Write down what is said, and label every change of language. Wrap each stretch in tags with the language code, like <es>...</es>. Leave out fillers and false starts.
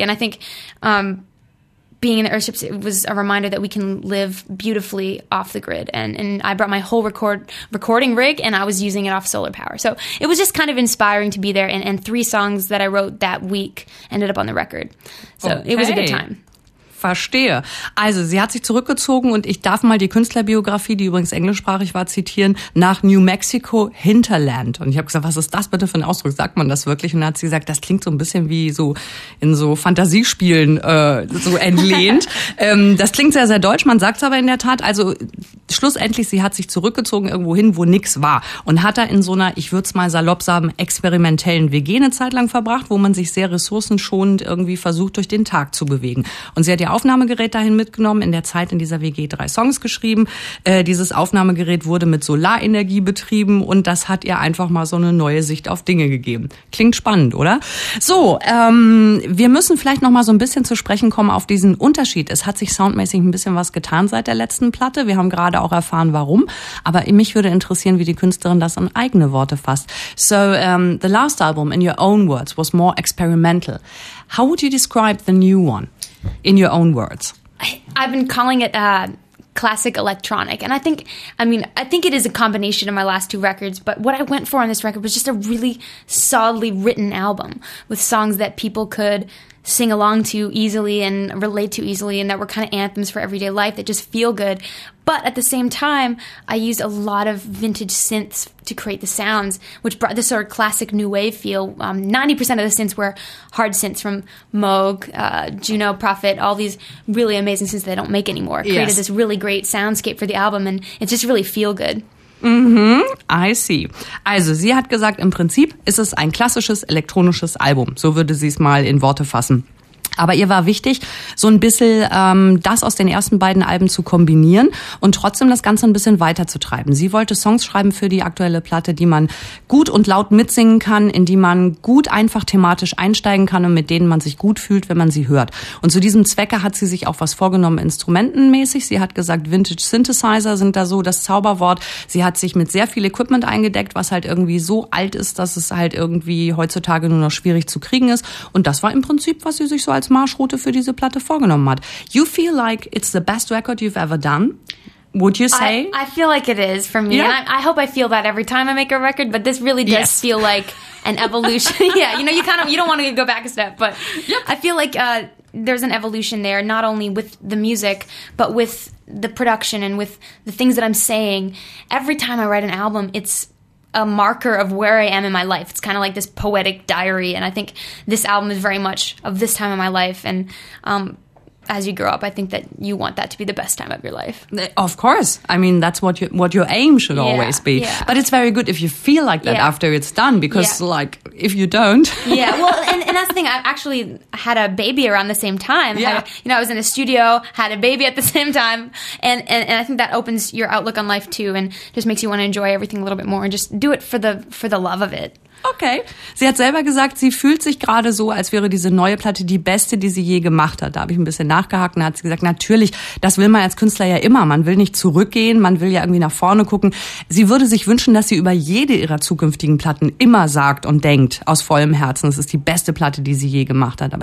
<en>And I think, being in the Earthships, it was a reminder that we can live beautifully off the grid. And I brought my whole recording rig, and I was using it off solar power. So it was just kind of inspiring to be there. And three songs that I wrote that week ended up on the record. So It was a good time.</en> <de>Verstehe. Also, sie hat sich zurückgezogen und ich darf mal die Künstlerbiografie, die übrigens englischsprachig war, zitieren, nach New Mexico Hinterland. Und ich habe gesagt, was ist das bitte für ein Ausdruck? Sagt man das wirklich? Und dann hat sie gesagt, das klingt so ein bisschen wie so in so Fantasiespielen so entlehnt. das klingt sehr, sehr deutsch, man sagt es aber in der Tat. Also schlussendlich, sie hat sich zurückgezogen irgendwo hin, wo nichts war. Und hat da in so einer, ich würde es mal salopp sagen, experimentellen WG eine Zeit lang verbracht, wo man sich sehr ressourcenschonend irgendwie versucht, durch den Tag zu bewegen. Und sie hat ihr Aufnahmegerät dahin mitgenommen, in der Zeit in dieser WG drei Songs geschrieben. Dieses Aufnahmegerät wurde mit Solarenergie betrieben und das hat ihr einfach mal so eine neue Sicht auf Dinge gegeben. Klingt spannend, oder? So, wir müssen vielleicht noch mal so ein bisschen zu sprechen kommen auf diesen Unterschied. Es hat sich soundmäßig ein bisschen was getan seit der letzten Platte. Wir haben gerade auch erfahren, warum. Aber mich würde interessieren, wie die Künstlerin das in eigene Worte fasst.</de> <en>So, the last album, in your own words, was more experimental. How would you describe the new one? In your own words. I've been calling it classic electronic. And I think it is a combination of my last two records. But what I went for on this record was just a really solidly written album with songs that people could sing along to easily and relate to easily and that were kind of anthems for everyday life that just feel good. But at the same time, I used a lot of vintage synths to create the sounds, which brought this sort of classic new wave feel. 90% of the synths were hard synths from Moog, Juno, Prophet, all these really amazing synths that I don't make anymore. Created this really great soundscape for the album, and it just really feel good. Mhm, I see.</en> <de>Also, sie hat gesagt, im Prinzip ist es ein klassisches elektronisches Album. So würde sie es mal in Worte fassen. Aber ihr war wichtig, so ein bisschen das aus den ersten beiden Alben zu kombinieren und trotzdem das Ganze ein bisschen weiterzutreiben. Sie wollte Songs schreiben für die aktuelle Platte, die man gut und laut mitsingen kann, in die man gut einfach thematisch einsteigen kann und mit denen man sich gut fühlt, wenn man sie hört. Und zu diesem Zwecke hat sie sich auch was vorgenommen, instrumentenmäßig. Sie hat gesagt, Vintage Synthesizer sind da so das Zauberwort. Sie hat sich mit sehr viel Equipment eingedeckt, was halt irgendwie so alt ist, dass es halt irgendwie heutzutage nur noch schwierig zu kriegen ist. Und das war im Prinzip, was sie sich so als Marschroute für diese Platte vorgenommen hat.</de> <en>You feel like it's the best record you've ever done, would you say? I feel like it is for me. Yeah. I hope I feel that every time I make a record, but this really does feel like an evolution. Yeah, you know, you don't want to go back a step, but I feel like there's an evolution there, not only with the music, but with the production and with the things that I'm saying. Every time I write an album, it's a marker of where I am in my life. It's kind of like this poetic diary. And I think this album is very much of this time in my life. And as you grow up, I think that you want that to be the best time of your life. Of course. I mean, that's what your aim should always be. Yeah. But it's very good if you feel like that after it's done, because like, if you don't. Yeah, well, and that's the thing. I actually had a baby around the same time. Yeah. I was in a studio, had a baby at the same time. And I think that opens your outlook on life too and just makes you want to enjoy everything a little bit more and just do it for the love of it. Okay.</en> <de>Sie hat selber gesagt, sie fühlt sich gerade so, als wäre diese neue Platte die beste, die sie je gemacht hat. Da habe ich ein bisschen nachgehakt und hat sie gesagt, natürlich, das will man als Künstler ja immer. Man will nicht zurückgehen, man will ja irgendwie nach vorne gucken. Sie würde sich wünschen, dass sie über jede ihrer zukünftigen Platten immer sagt und denkt, aus vollem Herzen, es ist die beste Platte, die sie je gemacht hat.</de>